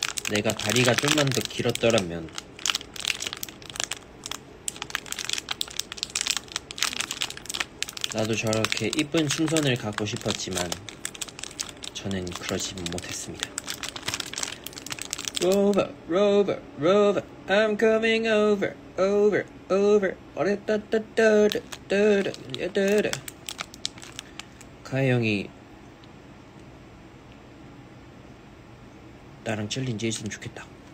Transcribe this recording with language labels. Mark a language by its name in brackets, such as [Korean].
[Korean] 내가 다리가 좀만 더 길었더라면 나도 저렇게 이쁜 춤선을 갖고 싶었지만 저는 그러지 못했습니다. [English] Rover, Rover, Rover, I'm coming over, over, over. 어레따따따따따따따따. [Korean] 카이 형이 나랑 챌린지 했으면 좋겠다.